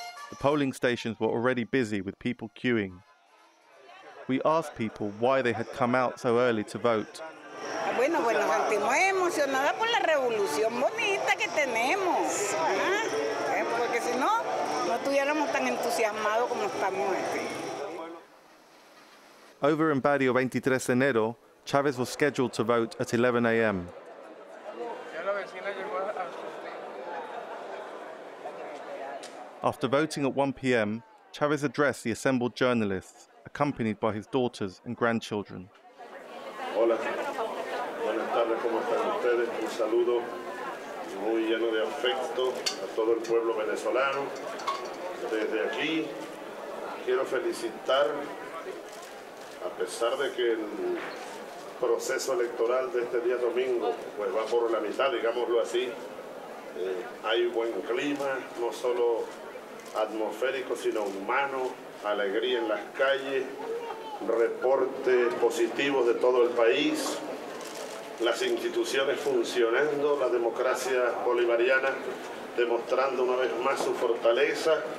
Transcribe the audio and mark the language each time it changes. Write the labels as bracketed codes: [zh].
[en] The polling stations were already busy with people queuing. We asked people why they had come out so early to vote. [es] Bueno, bueno, sentimos emocionada por la revolución bonita que tenemos, porque si no, no estuviéramos tan entusiasmados como estamos aquí. [en] Over in Barrio 23 de Enero, Chávez was scheduled to vote at 11 a.m. After voting at 1 p.m., Chávez addressed the assembled journalists, accompanied by his daughters and grandchildren. [es] Hola. Buenas tardes, ¿cómo están ustedes? Un saludo muy lleno de afecto a todo el pueblo venezolano. Desde aquí, quiero felicitar. A pesar de que el proceso electoral de este día domingo pues va por la mitad, digámoslo así, hay buen clima, no solo atmosférico, sino humano, alegría en las calles, reportes positivos de todo el país, las instituciones funcionando, la democracia bolivariana demostrando una vez más su fortaleza,